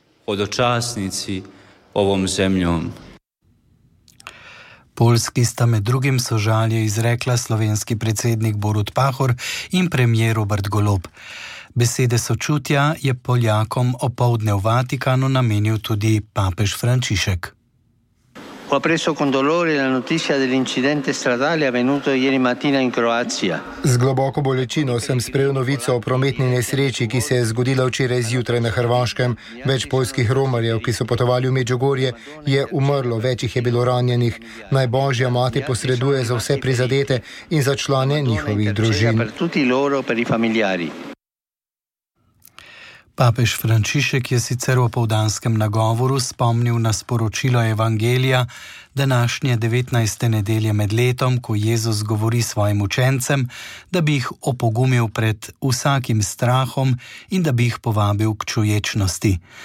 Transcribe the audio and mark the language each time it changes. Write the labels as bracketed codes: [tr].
[hr] Hodočasnici ovom zemljom. [sl] Poljski sta med drugim sožalje izrekla slovenski predsednik Borut Pahor in premier Robert Golob. Besede sočutja je Poljakom opoldne v Vatikanu namenil tudi papež Frančišek. [it] Ho preso con dolore la notizia dell'incidente stradale avvenuto ieri mattina in Croazia. [sl] Z globoko bolečino sem sprejel novico o prometni nesreči, ki se je zgodila včeraj zjutraj na Hrvaškem. Več poljskih romarjev, ki so potovali v Međugorje, je umrlo, več jih je bilo ranjenih. Naj Božja mati posreduje za vse prizadete in za člane njihovih družin. [it] Per tutti loro, per i familiari. [sl] Papež Frančišek je sicer v poldanskem nagovoru spomnil na sporočilo Evangelija današnje 19. nedelje med letom, ko Jezus govori svojim učencem, da bi jih opogumil pred vsakim strahom in da bi jih povabil k čuječnosti.